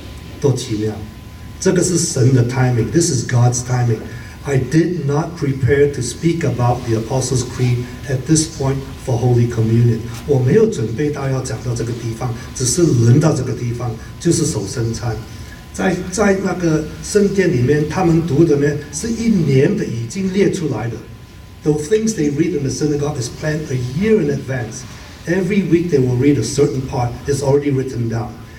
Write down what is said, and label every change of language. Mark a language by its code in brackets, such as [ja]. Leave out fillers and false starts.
[zh] 他说今天所说的已经成了。多奇妙。这个是神的 timing, [en] this is God's timing. I did not prepare to speak about the Apostles' Creed at this point for Holy Communion. [zh] 我没有准备到要讲到这个地方，只是轮到这个地方，就是守圣餐。在那个圣殿里面，他们读的呢，是一年的已经列出来的。 [en] The things they read in the synagogue is planned a year in advance. Every week they will read a certain part, it's already written down.